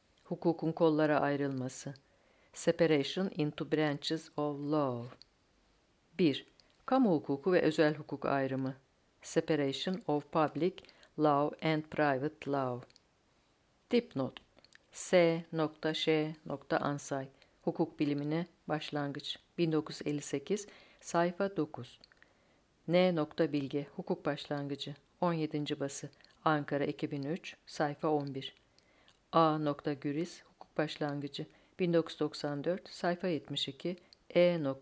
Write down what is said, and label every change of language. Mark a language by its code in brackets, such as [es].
[tr] Hukukun kollara ayrılması. [en] Separation into branches of law. 1. [tr] Kamu hukuku ve özel hukuk ayrımı. [en] Separation of public law and private law. [tr] Dipnot. S.Ş.Ansay. Hukuk bilimine başlangıç. 1958, sayfa 9. N.Bilge. Hukuk başlangıcı. 17. bası. Ankara 2003, sayfa 11. A. Güris, Hukuk Başlangıcı, 1994, sayfa 72. E.